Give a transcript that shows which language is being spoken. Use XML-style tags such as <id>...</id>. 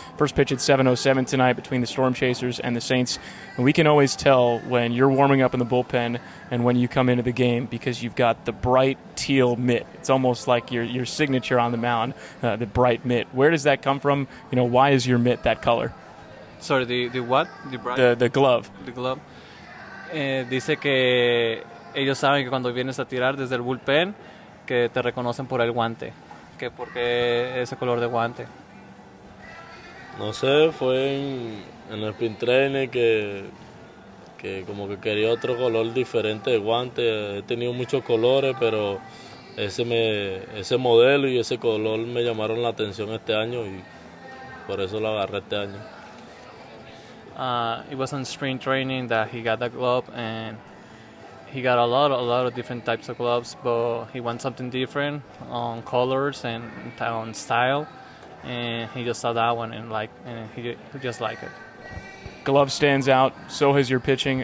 <en>First pitch at 7:07 tonight between the Storm Chasers and the Saints. And we can always tell when you're warming up in the bullpen and when you come into the game because you've got the bright teal mitt. It's almost like your signature on the mound, the bright mitt. Where does that come from? You know, why is your mitt that color? Sorry, the what? The bright? The glove. The glove.</en> <es>Dice que ellos saben que cuando vienes a tirar desde el bullpen, que te reconocen por el guante. Que porque ese color de guante. No sé, fue en el spring training que como que quería otro color diferente de guante. He tenido muchos colores, pero ese modelo y ese color me llamaron la atención este año y por eso lo agarré este año.</es> <en>It was on spring training that he got the glove, and he got a lot of different types of gloves, but he wants something different on colors and on style, and he just saw that one and he just liked it. Glove stands out, so has your pitching.</en>